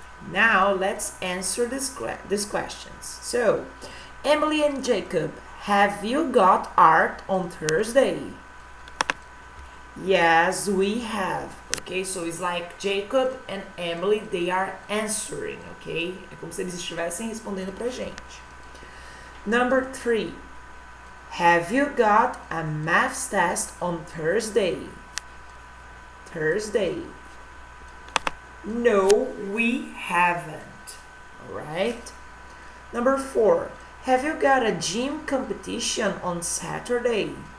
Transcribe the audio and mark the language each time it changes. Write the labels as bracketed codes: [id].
[en] Now let's answer these questions. So, Emily and Jacob, have you got art on Thursday? Yes, we have. Okay, so it's like Jacob and Emily, they are answering, okay? [pt] É como se eles estivessem respondendo pra gente. [en] Number three, have you got a maths test on Thursday? Thursday. No, we haven't. All right. Number four, have you got a gym competition on Saturday?